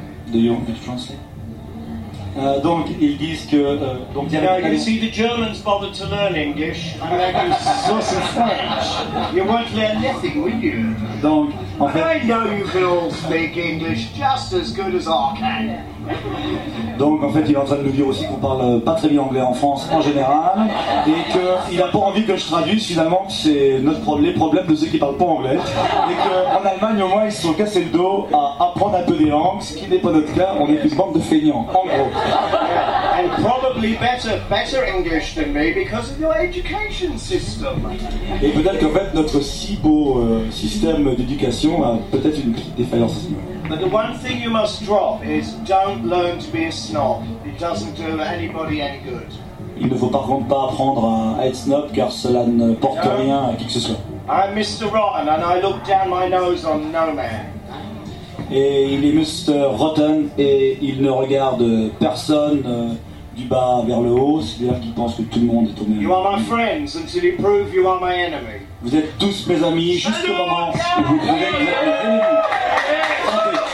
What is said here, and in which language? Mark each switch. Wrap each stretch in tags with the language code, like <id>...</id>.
<en>Do you want to translate?</en> <fr>Donc, ils disent que... donc,</fr> <en>you know, you see, the Germans bothered to learn English, and they use sauce of French. You won't learn nothing, will you?</en> <fr>Donc, en fait,</fr> <en>I know you can all speak English just as good as I can.</en> <fr>Donc, en fait, il est en train de nous dire aussi qu'on parle pas très bien anglais en France en général, et qu'il a pas envie que je traduise finalement, que c'est notre les problèmes de ceux qui parlent pas anglais, et qu'en Allemagne, au moins, ils se sont cassés le dos à apprendre un peu des langues, ce qui n'est pas notre cas, on est une bande de feignants, en gros.</fr> <en>And probably better English than me because of your education system.</en> <fr>Et peut-être qu'en fait, notre si beau système d'éducation a peut-être une petite défaillance.</fr> <en>But the one thing you must drop is don't learn to be a snob. It doesn't do anybody any good.</en> <fr>Il ne faut par contre pas apprendre à être snob car cela ne porte rien à qui que ce soit.</fr> <en>I'm Mr. Rotten and I look down my nose on no man.</en> <fr>Et il est Mr. Rotten et il ne regarde personne du bas vers le haut, c'est-à-dire qu'il pense que tout le monde est au même.</fr> <en>You are my friends until you prove you are my enemy.</en> <fr>Vous êtes tous mes amis jusqu'au moment où vous prouvez que vous êtes mes ennemis.</fr>